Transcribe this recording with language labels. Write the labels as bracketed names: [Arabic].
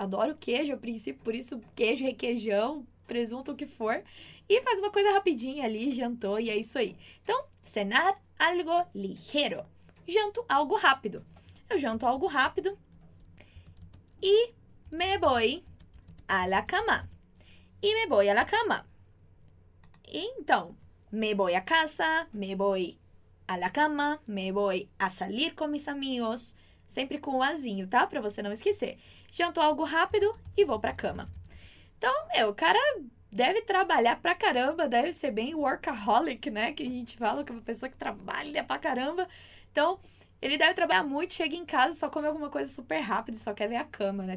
[Portuguese] Adoro queijo, a princípio, por isso queijo, requeijão, presunto, o que for. E faz uma coisa rapidinha ali, jantou e é isso aí. Então, [Spanish] cenar algo ligero. [Portuguese] Janto algo rápido. Eu janto algo rápido e [Spanish] me voy a la cama. E me voy a la cama. [Portuguese] Então, [Spanish] me voy a casa, me voy a la cama, me voy a salir con mis amigos. [Portuguese] Sempre com o azinho, tá? Pra você não esquecer. Janto algo rápido e vou pra cama. Então, meu, o cara deve trabalhar pra caramba, deve ser bem workaholic, né? Que a gente fala que é uma pessoa que trabalha pra caramba. Então, ele deve trabalhar muito, chega em casa, só come alguma coisa super rápido e só quer ver a cama, né?